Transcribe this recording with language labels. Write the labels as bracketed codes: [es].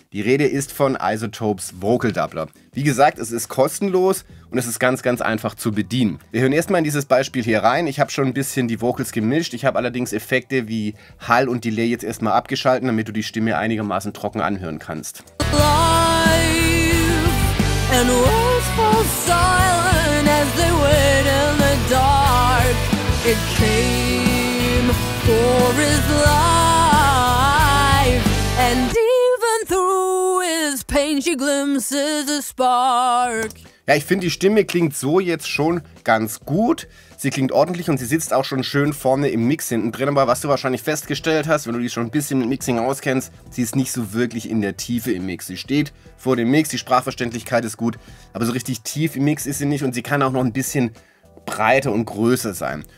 [de] Die Rede ist von iZotope's Vocal Doubler. Wie gesagt, es ist kostenlos und es ist ganz, ganz einfach zu bedienen. Wir hören erstmal in dieses Beispiel hier rein. Ich habe schon ein bisschen die Vocals gemischt. Ich habe allerdings Effekte wie Hall und Delay jetzt erstmal abgeschalten, damit du die Stimme einigermaßen trocken anhören kannst. [en] Life and words fall silent as they wait in the dark. It came for his life, and even through his pain she glimpses a spark. [de] Ja, ich finde, die Stimme klingt so jetzt schon ganz gut. Sie klingt ordentlich und sie sitzt auch schon schön vorne im Mix hinten drin. Aber was du wahrscheinlich festgestellt hast, wenn du dich schon ein bisschen mit Mixing auskennst, sie ist nicht so wirklich in der Tiefe im Mix. Sie steht vor dem Mix, die Sprachverständlichkeit ist gut, aber so richtig tief im Mix ist sie nicht und sie kann auch noch ein bisschen breiter und größer sein.